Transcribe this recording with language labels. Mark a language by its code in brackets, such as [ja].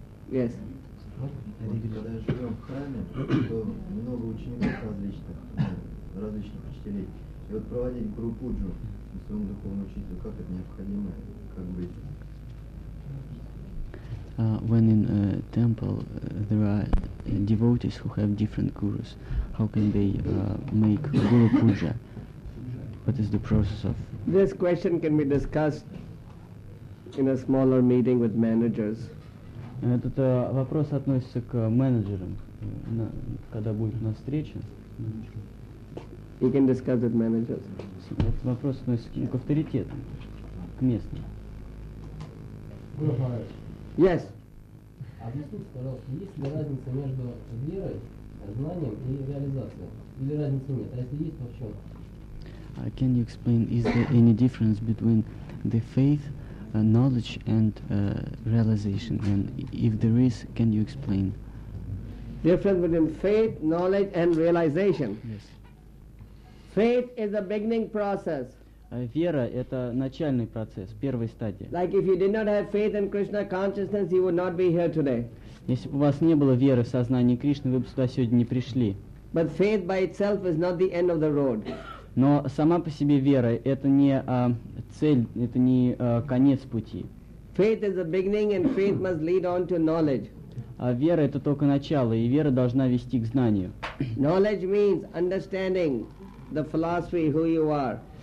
[en] Yes. [ru] Когда живем в храме, то много учеников различных учителей. И вот проводить гуру пуджу своему духовному учителю, как это необходимо, как быть? [en] When in a temple there are devotees who have different gurus, how can they make guru puja? What is the process of? This question can be discussed in a smaller meeting with managers. [ru] Этот вопрос относится к менеджерам, когда будет на встрече. [en] You can discuss with managers. [ru] Этот вопрос относится к авторитетам, к местным. [en] Yes. [ru] Объясните, пожалуйста, есть ли разница между верой, знанием и реализацией? Или разницы нет? А если есть, то в чем? [en] Can you explain, is there any difference between the faith, knowledge and realization? And if there is, can you explain? Difference between faith, knowledge and realization? Yes. Faith is a beginning process. [ru] Вера – это начальный процесс, первая стадия. [en] Like if you did not have faith in Krishna consciousness, you would not be here today. [ru] Если бы у вас не было веры в сознание Кришны, вы бы сюда сегодня не пришли. [en] But faith by itself is not the end of the road. [ru] Но сама по себе вера – это не цель, это не конец пути. [en] Faith is the beginning, and faith must lead on to knowledge. [ru] А вера – это только начало, и вера должна вести к знанию. [en] Knowledge means understanding the philosophy, who you are.